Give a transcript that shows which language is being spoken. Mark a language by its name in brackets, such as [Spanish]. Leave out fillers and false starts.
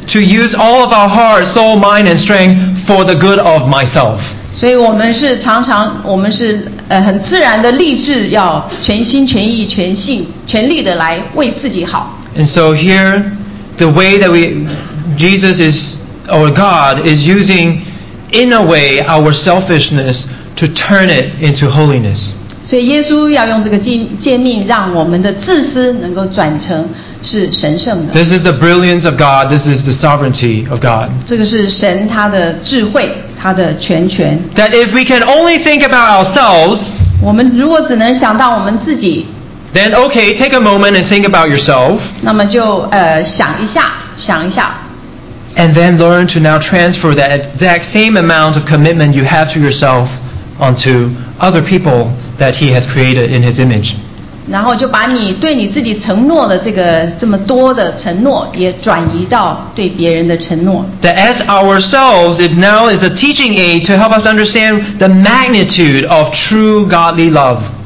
[English] To use all of our heart, soul, mind, and strength for the good of myself. [Chinese] 所以我们是常常，我们是很自然的立志要全心全意全性全力的来为自己好。 [English] And so here, the way that Jesus is or God is using, in a way, our selfishness to turn it into holiness. [Chinese] 所以耶稣要用这个诫命，让我们的自私能够转成。是神圣的。 [English] This is the brilliance of God. This is the sovereignty of God. [Chinese] 这个是神他的智慧，他的全权。 [English] That if we can only think about ourselves, [Chinese] 我们如果只能想到我们自己 [English] ，then okay, take a moment and think about yourself. [Chinese] 那么就想一下，想一下。 [English] And then learn to now transfer that exact same amount of commitment you have to yourself onto other people that He has created in His image. [Chinese] 然后就把你对你自己承诺的这个这么多的承诺也转移到对别人的承诺。 [English] That as ourselves, it now is a teaching aid to help us understand the magnitude of true godly love.